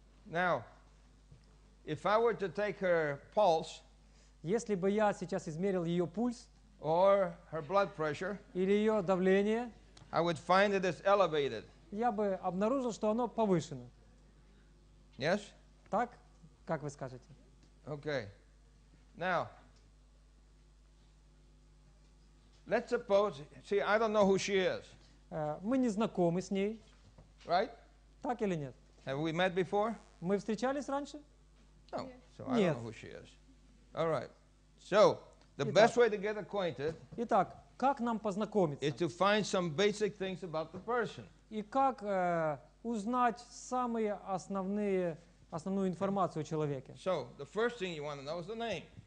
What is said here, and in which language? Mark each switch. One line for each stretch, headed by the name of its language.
English: Now, if I were to take her pulse.
Russian: Если бы я сейчас измерил ее пульс,
English: or her blood pressure,
Russian: или ее давление,
English: I would find it is elevated.
Russian: Я бы обнаружил, что оно повышено.
English: Yes?
Russian: Так, как вы скажете?
English: Okay. Now, let's suppose. See, I don't know who she is.
Russian: Мы не знакомы с ней.
English: Right?
Russian: Так или нет?
English: Have we met before?
Russian: Мы встречались раньше?
English: No. So
Russian: нет.
English: I don't know who she is. All right. So, the
Russian: Итак,
English: best way to get acquainted
Russian: Итак, как нам познакомиться?
English: Is to find some basic things about the person.
Russian: И как узнать самые основные, основную информацию о человеке?
English: So, the first thing you want to know is the name.